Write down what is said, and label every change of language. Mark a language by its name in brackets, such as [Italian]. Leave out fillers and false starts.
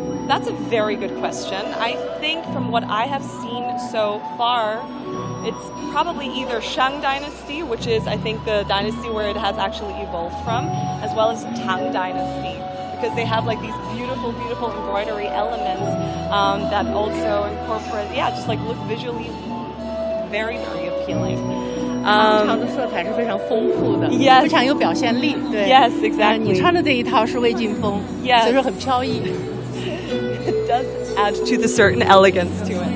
[English] That's a very good question. I think from what I have seen so far, it's probably either Shang Dynasty, which is, I think, the dynasty where it has actually evolved from, as well as Tang Dynasty, because they have like these beautiful, beautiful embroidery elements that also incorporate, yeah, just like look visually very, very appealing. Yes, exactly. [Chinese] 你穿的这一套是魏晋风，所以说很飘逸。 [English] Does add to the certain elegance to it.